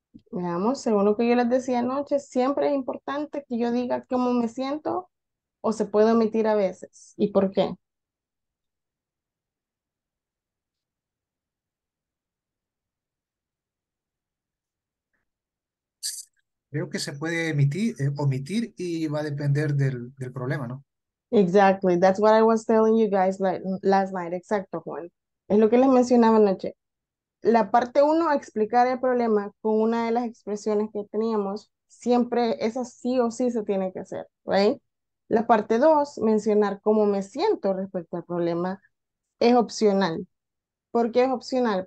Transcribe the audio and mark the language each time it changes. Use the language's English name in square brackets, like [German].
[Spanish] Veamos, según lo que yo les decía anoche, siempre es importante que yo diga cómo me siento o se puede omitir a veces. ¿Y por qué? Creo que se puede emitir, omitir y va a depender del problema, ¿no? [English] Exactly, that's what I was telling you guys last night. [Spanish] Exacto, Juan. Es lo que les mencionaba anoche. La parte uno, explicar el problema con una de las expresiones que teníamos, siempre esa sí o sí se tiene que hacer, right? La parte dos, mencionar cómo me siento respecto al problema, es opcional. ¿Por qué es opcional?